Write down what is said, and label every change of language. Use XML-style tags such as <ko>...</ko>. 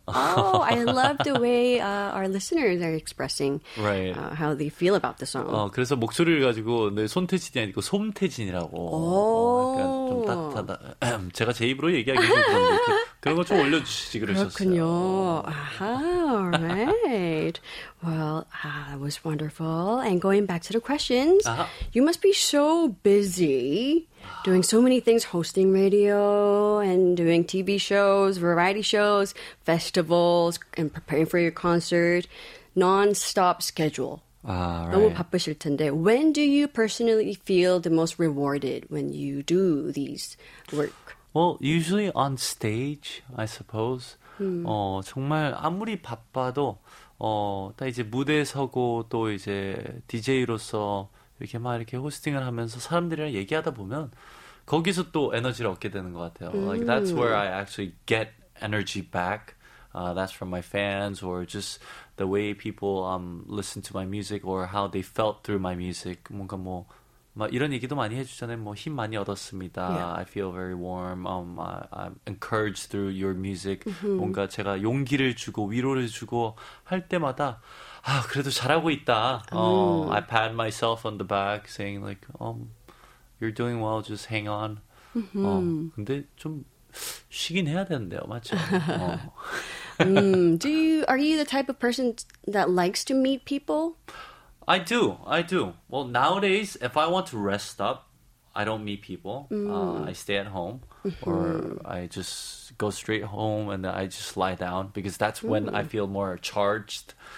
<en>Oh, I love the way our listeners are expressing how they feel about the song.</en> <ko>그래서 목소리를 가지고 네, 손태진이 아니고 솜태진이라고. 제가 제 입으로 얘기하기 힘든데 그런 거 좀 올려주시지 그러셨어요. 그렇군요. Alright.</ko> <en>Well, that was wonderful. And going back to the questions, you must be so busy doing so many things, hosting radio and doing TV shows, variety shows, festivals, and preparing for your concert. Non-stop schedule. Right.</en> <ko>너무 바쁘실 텐데,</ko> <en>when do you personally feel the most rewarded when you do these work? Well, usually on stage, I suppose.</en> <ko>정말 아무리 바빠도 딱 이제 무대 서고 또 이제 DJ로서 이렇게 막 이렇게 호스팅을 하면서 사람들이랑 얘기하다 보면 거기서 또 에너지를 얻게 되는 것 같아요.</ko> <en>Like that's where I actually get energy back. That's from my fans or just the way people listen to my music or how they felt through my music.</en> <ko>뭔가 뭐 막 이런 얘기도 많이 해주잖아요. 뭐 힘 많이 얻었습니다.</ko> <en>Yeah. I feel very warm. I'm encouraged through your music. Mm-hmm.</en> <ko>뭔가 제가 용기를 주고 위로를 주고 할 때마다 아 그래도 잘하고 있다.</ko> <en>I pat myself on the back, saying like, you're doing well. Just hang on. Mm-hmm.</en> <ko>근데 좀 쉬긴 해야 되는데요, 맞죠?</ko> <en>Are you the type of person that likes to meet people? I do. Well, nowadays, if I want to rest up, I don't meet people. I stay at home or I just go straight home and then I just lie down because that's when I feel more charged.</en>